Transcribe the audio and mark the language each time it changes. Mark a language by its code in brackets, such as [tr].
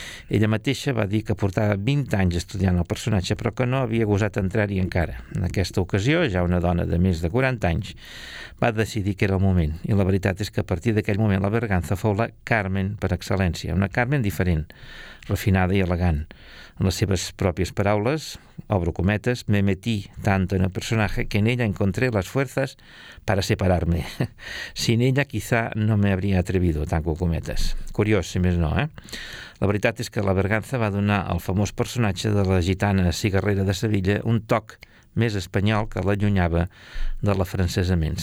[ca] Ella mateixa va dir que portava 20 anys estudiant el personatge, però que no havia gosat entrar-hi encara. En aquesta ocasió, ja una dona de més de 40 anys, va decidir que era el moment, i la veritat és que a partir d'aquell moment la Berganza fou la Carmen per excel·lència, una Carmen diferent, refinada i elegant. En les seves pròpies paraules, obro cometes, [es] me metí tanto en el personaje que en ella encontré las fuerzas para separarme. Sin ella quizá no me habría atrevido, [ca] tanco cometes. Curiós, si més no, eh? La veritat és que la Berganza va donar al famós personatge de la gitana cigarrera de Sevilla un toc més espanyol que l'allunyava de l'afrancesament.